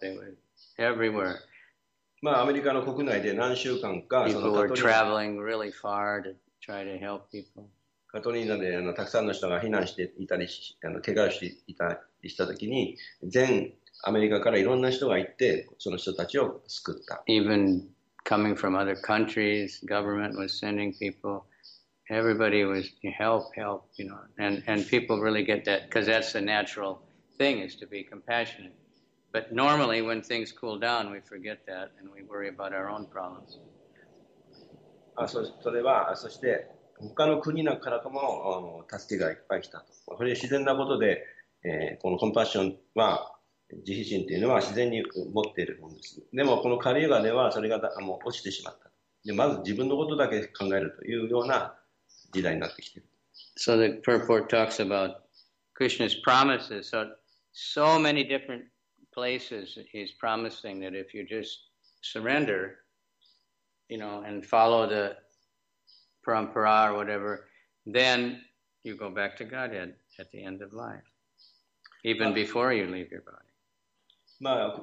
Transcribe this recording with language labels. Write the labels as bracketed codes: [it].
[en] They were everywhere. [ja] まあ、アメリカの国内で何週間か、 [en] People were traveling really far to try to help people. [ja] カトリーナでたくさんの人が避難していたり、怪我をしていたりしたときに、全アメリカからいろんな人が行って、その人たちを救った。 [en] Even coming from other countries, government was sending people. everybody was help, you know, and people really get that because that's the natural thing is to be compassionate. But normally when things cool down, we forget that and we worry about our own problems. [ja] それは、そして 他の国からも助けがいっぱい来たと。これ自然なことで、このコンパッションは慈悲心っていうのは自然に持っているものです。でもこのカリウガではそれが落ちてしまった。で、まず自分のことだけ考えるというような時代になってきている。So [en] the purport talks about Krishna's promises. So, so many different places he's promising that if you just surrender, you know, and follow the parampara or whatever, then you go back to Godhead at the end of life, even before you leave your body.